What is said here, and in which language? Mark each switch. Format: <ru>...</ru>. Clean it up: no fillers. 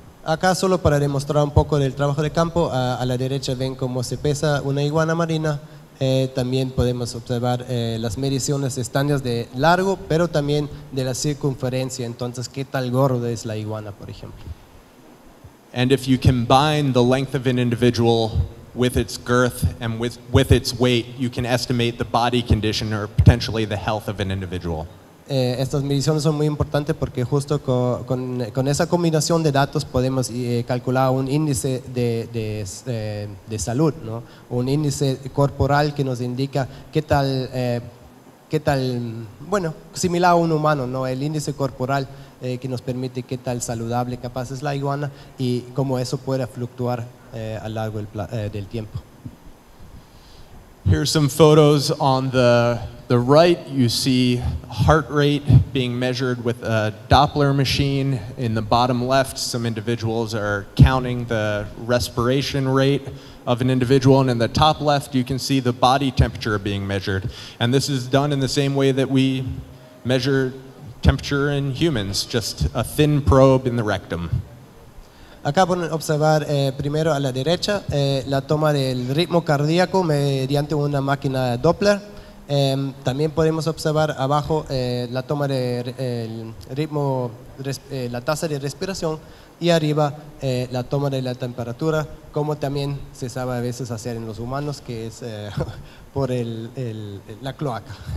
<es>Acá solo para demostrar un poco del trabajo de campo, a la derecha ven cómo se pesa una iguana marina. También podemos observar las mediciones estándar de largo, pero también de la circunferencia. Entonces, ¿qué tal gordo es la iguana, por ejemplo?</es> <en>And if you combine the length of an individual with its girth and with its weight, you can estimate the body condition or potentially the health of an individual.</en> <es>Estas mediciones son muy importantes porque justo con esa combinación de datos podemos calcular un índice de salud, ¿no? Un índice corporal que nos indica qué tal, similar a un humano, ¿no? El índice corporal que nos permite qué tal saludable capaz es la iguana y cómo eso puede fluctuar a lo largo del tiempo.</es> <en>Here's some photos on the right. You see heart rate being measured with a Doppler machine. In the bottom left, some individuals are counting the respiration rate of an individual. And in the top left, you can see the body temperature being measured. And this is done in the same way that we measure temperature in humans, just a thin probe in the rectum.</en> <es>Acá pueden observar primero a la derecha la toma del ritmo cardíaco mediante una máquina Doppler. También podemos observar abajo la toma de la tasa de respiración y arriba la toma de la temperatura, como también se sabe a veces hacer en los humanos, que es por la cloaca.</es>